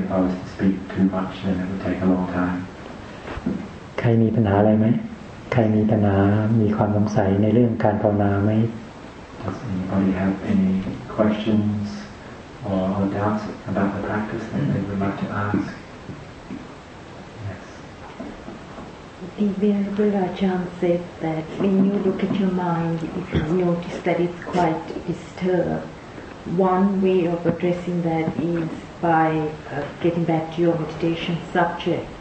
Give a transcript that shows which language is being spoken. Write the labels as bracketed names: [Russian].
[English] If I was to speak too much, then it would take a long time. [Thai] ใครมีปัญหาอะไรไหมใครมีปัญหามีความสงสัยในเรื่องการภาวนาไหม [English] Does anybody have any questions? Or doubts about the practice that they would like to ask. Yes. The Venerable Ajahn said that when you look at your mind, if you notice that it's quite disturbed, one way of addressing that is by getting back to your meditation subject.